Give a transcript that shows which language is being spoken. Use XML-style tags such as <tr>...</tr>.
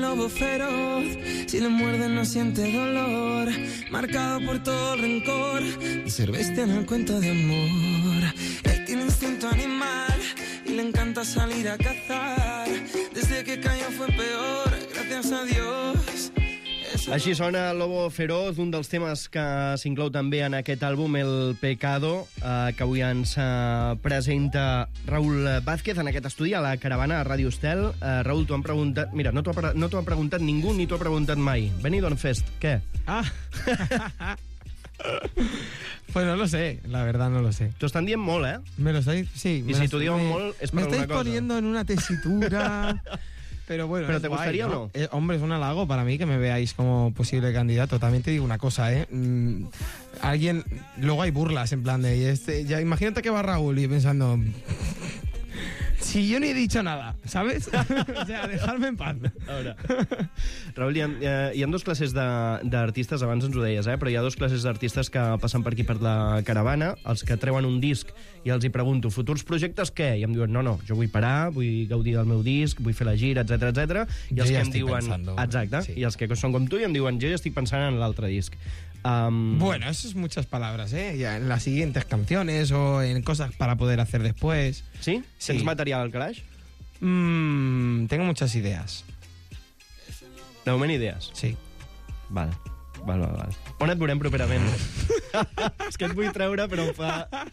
<es>Feroz, si le muerde no siente dolor, marcado por todo rencor, de ser bestia no cuenta de amor. Él tiene instinto animal y le encanta salir a cazar. Desde que cayó fue peor, gracias a Dios.</es> <ca>Així sona Lobo Feroz, un dels temes que s'inclou també en aquest àlbum, El Pecado, que avui ens presenta Raül Vázquez en aquest estudi, a la caravana a Ràdio Estel. Raül, t'ho han preguntat... Mira, no t'ho ha preguntat ningú ni t'ho ha preguntat mai. Benidorm Fest, què? Ah!</ca> <es>Pues no lo sé, la verdad no lo sé.</es> <ca>T'ho estan dient molt, eh?</ca> <es>Me lo estáis... Sí.</es> <ca>I si t'ho diuen molt, és per alguna cosa.</ca> <es>Me estáis poniendo en una tesitura... Pero bueno, pero te guay, gustaría, ¿no? ¿No? Hombre, es un halago para mí que me veáis como posible candidato. También te digo una cosa, ¿eh? Alguien... Luego hay burlas en plan de... ya imagínate que va Raúl y pensando... Si yo ni he dicho nada, ¿sabes? O sea, dejarme en paz. Ahora.</es> <ca>Raúl, hi ha dos classes d'artistes, abans ens ho deies, eh? Però hi ha dos classes d'artistes que passen per aquí per la caravana, els que treuen un disc i els hi pregunto, futurs projectes què? I em diuen, no, jo vull parar, vull gaudir del meu disc, vull fer la gira, etc etc. I els que ja em diuen,</ca> <es>pensando.</es> <ca>Exacte. Sí. I els que són com tu i em diuen, jo ja estic pensant en l'altre disc.</ca> <es>Bueno, eso es muchas palabras, ¿eh? Ya en las siguientes canciones o en cosas para poder hacer después. ¿Sí? Sí.</es> <ca>¿Tens material al garage?</ca> <es>Tengo muchas ideas.</es> <ca>¿De moment ideas? Sí. Vale. On et veurem properament? És que et vull treure, però em fa...</ca>